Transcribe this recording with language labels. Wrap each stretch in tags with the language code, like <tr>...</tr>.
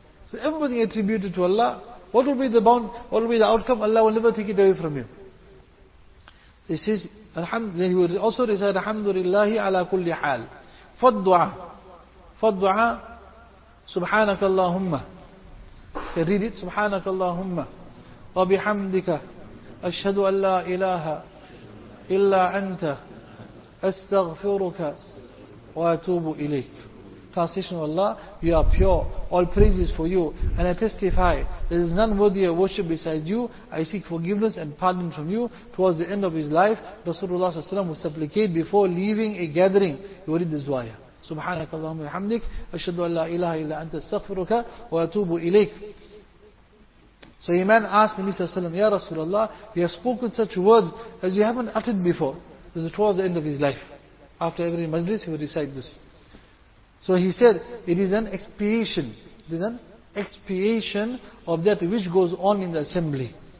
<en>So everything attributed to Allah, what will be the bounty, what will be the outcome? Allah will never take it away from you. He says, then he will also recite, Alhamdulillah,</en> <ar>عَلَى كُلِّ حَالِ. فَالدُّعَى. فَالدُّعَى. سُبْحَانَكَ اللَّهُمَّ.</ar> <en>Read it,</en> <ar>سُبْحَانَكَ اللَّهُمَّ. وَبِحَمْدِكَ. أشهد أن لا إله إلا أنت أستغفرك وأتوب إليك.</ar> <en>translation of Allah, you are pure. All praise is for you. And I testify, there is none worthy of worship besides you. I seek forgiveness and pardon from you. Towards the end of his life, Rasulullah ﷺ would supplicate before leaving a gathering. He would read this dua.</en> <ar>سبحانك اللهم وبحمدك أشهد أن لا إله إلا أنت أستغفرك وأتوب إليك.</ar> <en>So a man asked the Messenger of Allah, Ya Rasulullah, he has spoken such words as you haven't uttered before. This is towards the end of his life. After every majlis, he would recite this. So he said, it is an expiation. It is an expiation of that which goes on in the assembly.</en>